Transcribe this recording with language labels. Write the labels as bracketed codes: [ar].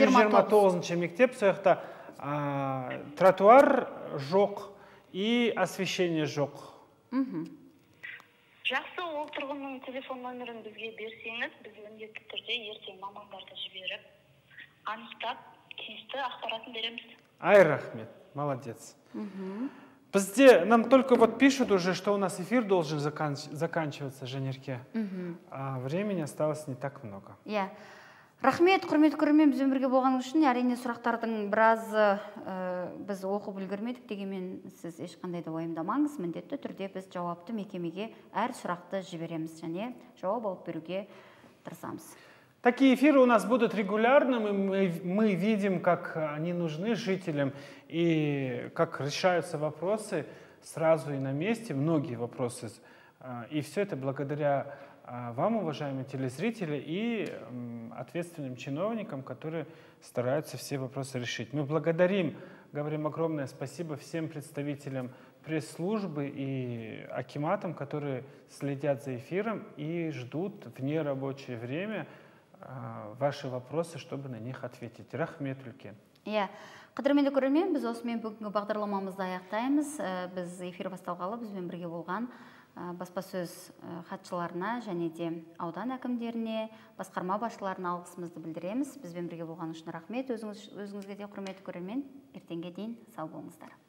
[kk] мектеп, сол жақта тротуар жоқ [ru] и освещение [kk] жоқ. Жақсы, ол тұрғынның телефон номерін бізге берсеңіз, біз міндетті түрде ертең мамандарды жіберіп, анықтап, тиісті ақпаратын береміз. Ай, рахмет, [ru] молодец. [kk] Бізде, [ru] нам только вот пишут уже, что у нас эфир должен заканчиваться, Женерке. А времени осталось не так много. [kk] Иә. Рахмет, құрмет көрмем, бізден бірге болғаның үшін. Әрине, сұрақтардың біразы біз оқып үлгермедік, дегенмен сіз ешқандай да уайымдамаңыз. Міндетті түрде біз жауапты мекемеге әр сұрақты жібереміз және жауап алып беруге тырысамыз. [ru] Такие эфиры у нас будут регулярно, мы видим, как они нужны жителям и как решаются вопросы сразу и на месте, многие вопросы. И все это благодаря вам, уважаемые телезрители, и ответственным чиновникам, которые стараются все вопросы решить. Мы благодарим, говорим огромное спасибо всем представителям пресс-службы и акиматам, которые следят за эфиром и ждут в нерабочее время ваши вопросы, чтобы на них ответить. [kk] Рахмет, үлкен. Иә. Қадірменді көрермен, біз осымен бүгінгі бағдарламамызды аяқтаймыз. Біз эфир басталғалы, бізбен бірге болған баспасөз хатшыларына және де аудан әкімдеріне, басқарма басшыларына алғысымызды білдіреміз. Бізбен бірге болған үшін рахмет. Өзіңізге де құрметті көрермен, ертеңге дейін сау болыңыздар.